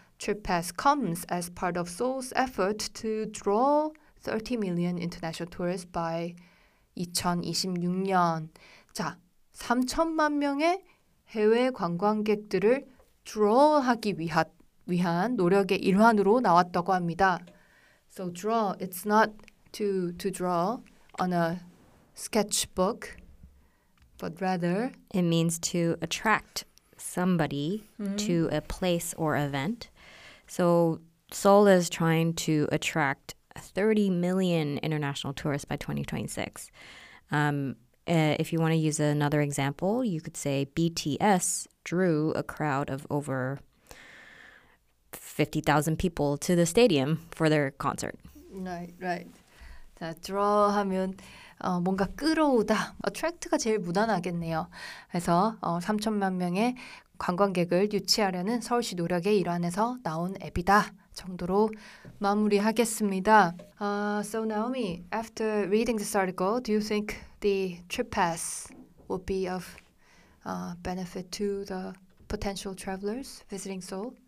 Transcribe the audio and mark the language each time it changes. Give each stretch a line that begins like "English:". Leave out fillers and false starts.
English: TripPass comes as part of Seoul's effort to draw 30 million international tourists by 2026년.
Korean: 자, 3천만 명의 해외 관광객들을 draw하기 위한 노력의 일환으로 나왔다고 합니다.
English: So draw, it's not to draw on a sketchbook. but rather. It means to attract somebody to a place or event. So Seoul is trying to attract 30 million international tourists by 2026. If you want to use another example, you could say BTS drew a crowd of over 50,000 people to the stadium for their concert. Right, right.
Korean: 자, draw 하면 뭔가 끌어오다. Attract가 제일 무난하겠네요. 그래서 3천만 명의 관광객을 유치하려는 서울시 노력의 일환에서 나온 앱이다 정도로 마무리하겠습니다.
English: So Naomi, after reading this article, do you think the trip pass will be of benefit to the potential travelers visiting Seoul?